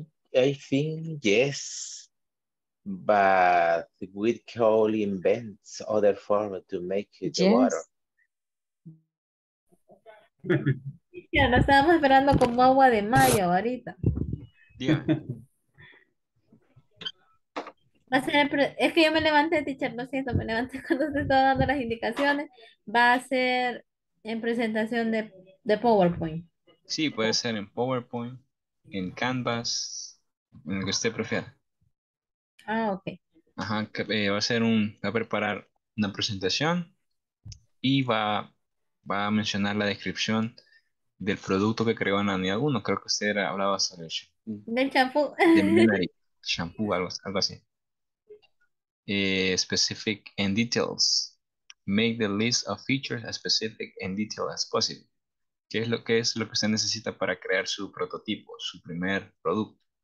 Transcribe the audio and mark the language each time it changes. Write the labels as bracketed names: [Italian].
[English] I think yes, but we could invent other form to make it yes. Water. [Spanish] Ya no estábamos esperando como agua de mayo ahorita. [English] Yeah. [Spanish] Va a ser, es que yo me levanté, teacher, no siento, me levanté cuando se estaba dando las indicaciones. Va a ser en presentación de PowerPoint. Sí, puede ser en PowerPoint, en Canvas, en lo que usted prefiera. Ah, ok. Ajá, va a ser va a preparar una presentación y va a mencionar la descripción del producto que creó en la unidad 1. Creo que usted hablaba sobre el shampoo. Del champú. Del shampoo, algo así. [English] Specific and details. Make the list of features as specific and detailed as possible. [Spanish] ¿Qué es lo que usted necesita para crear su prototipo, su primer producto?